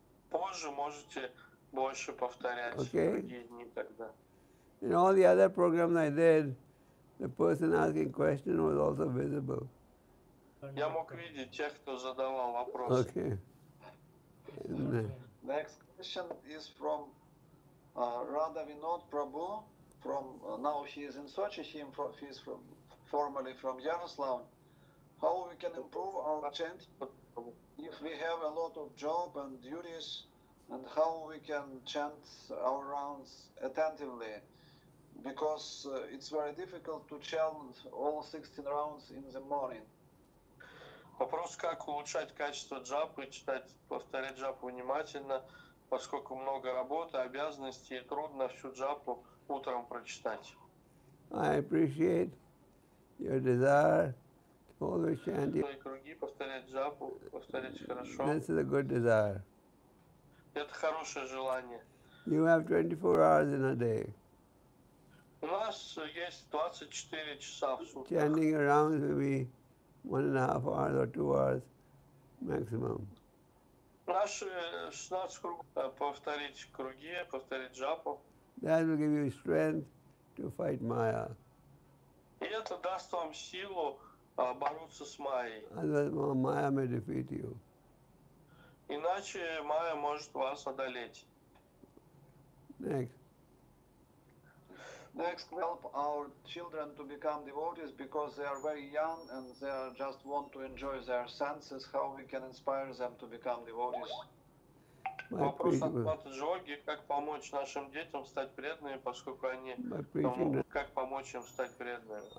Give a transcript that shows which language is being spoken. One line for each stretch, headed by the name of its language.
Russian: Позже можете больше повторять другие дни тогда.
English: In all the other programs I did, the person asking question was also visible.
Russian: Я мог видеть тех, кто задавал вопросы.
English: Okay. Next question is from Radha Vinod Prabhu. From now he is in Sochi. He is from formerly from Yaroslav. How we can improve our chant if we have a lot of job and duties, and how we can chant our rounds attentively? Because it's very difficult to chant all 16 rounds in the morning.
Russian: Вопрос, как улучшать качество джапы, читать, повторять джапу внимательно, поскольку много работы, обязанностей, трудно всю джапу утром прочитать.
English: I appreciate your desire to always chant.
Russian: Круги, повторять джапу, повторять хорошо.
English: That's a good desire.
Russian: Это хорошее желание.
English: You have 24 hours in a day.
Russian: У нас есть 24 часа в сутках.
English: Chanting around will be 1.5 hours or 2 hours maximum.
Russian: Наши 16 кругов, повторить круги, повторить джапу.
English: That will give you strength to fight Maya.
Russian: И это даст вам силу бороться с Майей.
English: Otherwise, Maya may defeat you.
Russian: Иначе Майя может вас одолеть.
English: Next. next help our children to become devotees because they are very young and they are just want to enjoy their senses, how we can inspire them to become devotees. My preaching